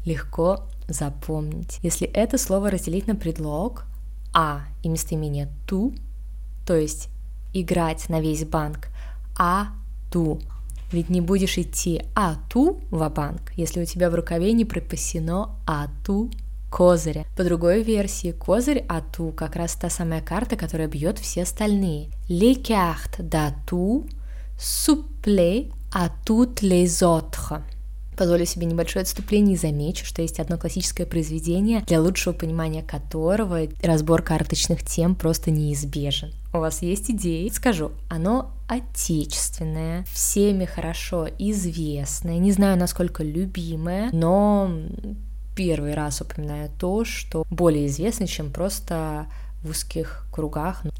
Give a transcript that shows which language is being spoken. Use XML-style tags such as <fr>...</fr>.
<ru>Легко запомнить. Если это слово разделить на предлог «а» и местоимение «ту», то есть играть на весь банк «ату». Ведь не будешь идти «ату» ва-банк, если у тебя в рукаве не припасено «ату» козыря. По другой версии, козырь ату как раз та самая карта, которая бьет все остальные.</ru> <fr>Les cartes d'atout supplent à toutes les autres.</fr> <ru>Позволю себе небольшое отступление и замечу, что есть одно классическое произведение, для лучшего понимания которого разбор карточных тем просто неизбежен. У вас есть идеи? Скажу, оно отечественное, всеми хорошо известное, не знаю, насколько любимое, но первый раз упоминаю то, что более известно, чем просто в узких кругах.</ru>